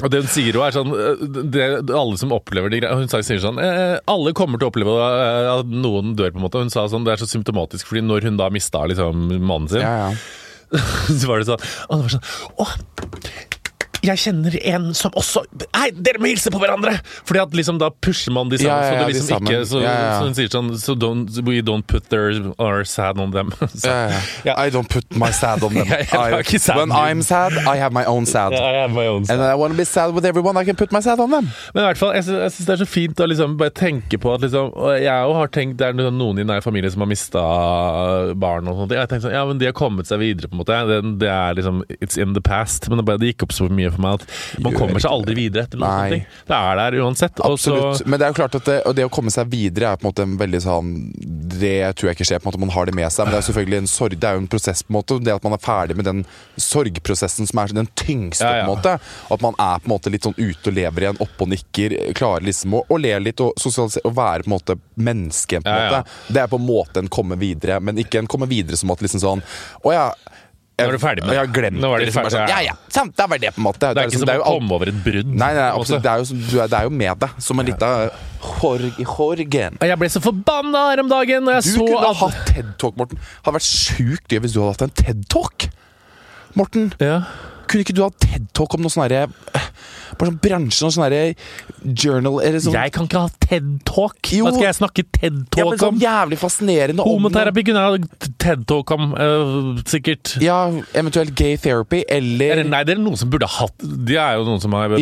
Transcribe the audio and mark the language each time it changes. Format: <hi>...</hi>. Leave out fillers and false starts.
<no>Og det hun sier jo sånn, det alle som opplever det, hun sier sånn, alle kommer til å oppleve at noen dør på en måte. Hun sa sånn, det så symptomatisk, fordi når hun da mistet liksom, mannen sin, så var det sånn, og det var sånn, åh, jeg kjenner en som også nei, dere må hilse på hverandre fordi at liksom da pusher man de sammen så det liksom de ikke så, så hun sier sånn</no> <en>so don't, we don't put our sad on them I don't put my sad on them when I'm sad I have my own sad and I want to be sad with everyone I can put my sad on them</en> <no>men I hvert fall jeg synes det så fint å liksom bare tenke på at liksom jeg har tenkt det noen I nær familie som har mistet barn og sånt jeg har tenkt sånn ja, men de har kommet seg videre på en måte det liksom</no> <en>it's in the past</en> <no>men det gikk opp så mye for meg at man kommer seg aldri videre etter noe sånt. Det der uansett. Absolutt. Så men det jo klart at det å komme seg videre på en måte en veldig sånn, det tror jeg ikke skjer på en måte, man har det med seg, men det selvfølgelig en sorg, det jo en prosess på en måte, det at man ferdig med den sorgprosessen som den tyngste på en måte, at man på en måte litt sånn ute og lever igjen, opp og nikker, klarer liksom å le litt og sosialisere, og være på en måte menneske på en måte. Det på en måte en komme videre, men ikke en komme videre som at liksom sånn, åja, Nå var du ferdig med det. Jeg har glemt det. Nå var du ferdig med det. Ja, ja. Samt, det var det på en måte. Det ikke som å komme over et brudd. Nei, absolutt. Det jo med deg. Som en liten Jorgen. Jeg ble så forbannet her om dagen når jeg du så at... Du kunne hatt TED-talk, Morten. Det hadde vært sykt gøy hvis du hadde hatt en TED-talk. Morten. Ja. Kunne ikke du ha TED-talk om noe sånn der... Bare sånn bransjen og sånn der journal eller sånn. Jeg kan ikke ha TED-talk Hva skal jeg snakke TED-talk om? Ja, men sånn jævlig fascinerende Homoterapi kunne jeg ha TED-talk om, sikkert Ja, eventuelt</no> <en>gay therapy</en> <no>eller Nei, det noen som burde hatt De jo noen som burde</no>